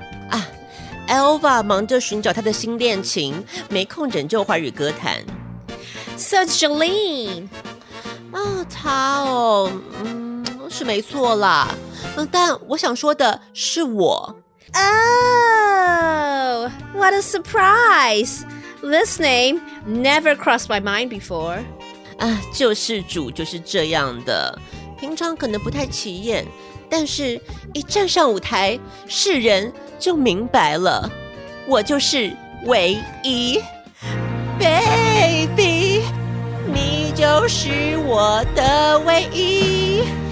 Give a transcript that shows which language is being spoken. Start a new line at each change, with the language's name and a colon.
Chinese: 啊， Elva 忙着寻找她的新恋情，没空拯救华语歌坛。
English: So Jolene？
Chinese: 啊，她哦，嗯，是没错啦，但我想说的是我。
English: Oh, what a surprise! This name never crossed my mind before.
Chinese: 啊，救世主就是这样的，平常可能不太起眼，但是一站上舞台，世人就明白了，我就是唯一。 Baby, 你就是我的唯一。